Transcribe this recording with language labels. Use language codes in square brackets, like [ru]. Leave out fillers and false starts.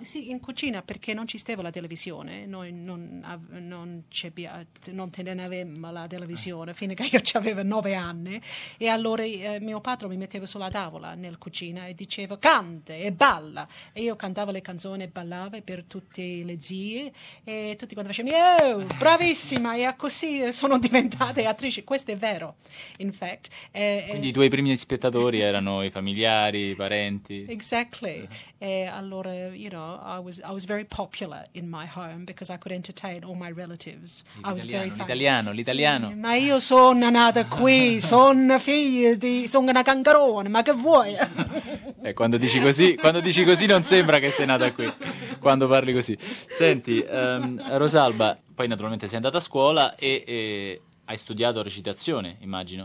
[it] Sì, in cucina, perché non ci stava la televisione, noi non avevamo la televisione fino a che io avevo 9 anni, e allora mio padre mi metteva sulla tavola nel cucina e diceva canta e balla, e io cantavo le canzoni e ballavo per tutte le zie, e tutti quando facevano oh, bravissima. E così sono diventata attrice, questo è vero, [en] in fact. [it] Quindi i tuoi primi spettatori erano i familiari, i parenti. [en] Exactly. [it] E allora, [en] you know, I was very popular in my home because I could entertain all my relatives. [it] L'italiano, [en] I was very [it] l'italiano, l'italiano. Sì, ma io sono nata qui, sono una cancarone, ma che vuoi? E quando dici così non sembra che sei nata qui, quando parli così. Senti, Rosalba, poi naturalmente sei andata a scuola, sì. e hai studiato recitazione, immagino.